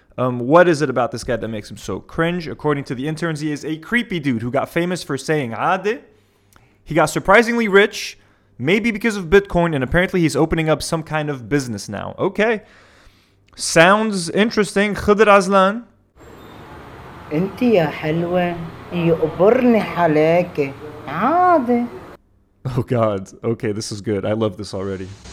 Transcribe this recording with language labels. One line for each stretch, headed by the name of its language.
English: What is it about this guy that makes him so cringe? According to the interns, he is a creepy dude who got famous for saying عادي. He got surprisingly rich. Maybe because of Bitcoin, and apparently he's opening up some kind of business now. Okay. Sounds interesting. خضر عزلان.
Arabic: انت يا حلوة يقبرني حلاك عادي.
English: Oh God. Okay, this is good. I love this already.